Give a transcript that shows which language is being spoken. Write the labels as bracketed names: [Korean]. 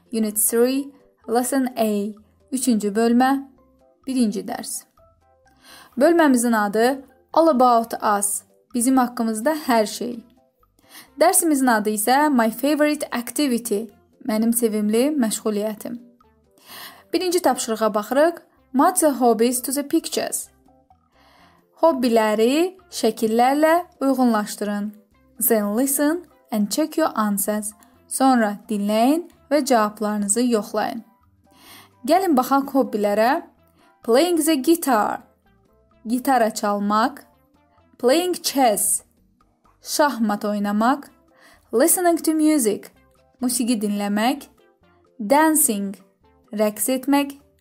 [English] Unit 3, Lesson A, [Azerbaijani] 3-cü bölmə, 1-ci dərs. Bölməmizin adı [English] All About Us, [Azerbaijani] bizim haqqımızda hər şey. Dərsimizin adı isə [English] My Favorite Activity, [Azerbaijani] mənim sevimli məşğuliyyətim. 1-ci tapşırığa baxırıq. [English] Match your hobbies to the pictures. [Azerbaijani] Hobbiləri şəkillərlə uyğunlaşdırın. [English] Then listen and check your answers. [Azerbaijani] Sonra dinləyin və cavablarınızı yoxlayın. Gəlin baxaq hobbilərə. [English] Playing the guitar. [Azerbaijani] Gitara çalmaq. [English] Playing chess. [Azerbaijani] Şahmat oynamaq. [English] Listening to music. [Azerbaijani] Musiqi dinləmək. Dancing. Rəqs etmək.